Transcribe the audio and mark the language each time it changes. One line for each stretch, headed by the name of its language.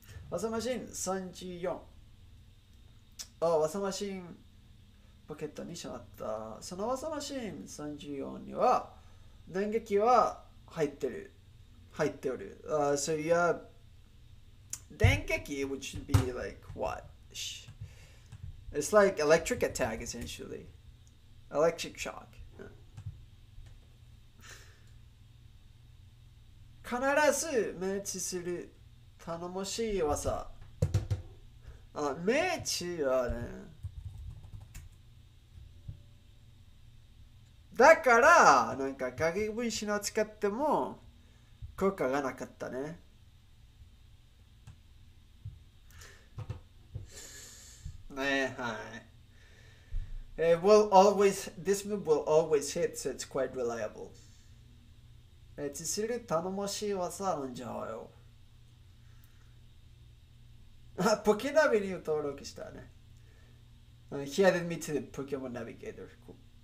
Japanese: わさマシン34。あ、わさマシンポケットにしまった。そのわさマシン34には電撃は入っておる。
English: So you have 電撃 which would be like what? It's like electric attack essentially. Electric shock.
Japanese: 必ず命中する。頼もしい噂。あ、命中はね。だから、なんか影分身を使っても効果がなかったね。ねえ、はい。
English: This move will always hit, so it's quite reliable.
Japanese: えつする頼もしい技なんじゃよ。あ、ポケナビに登録したね。
English: He added me to the Pokemon Navigator. Cool.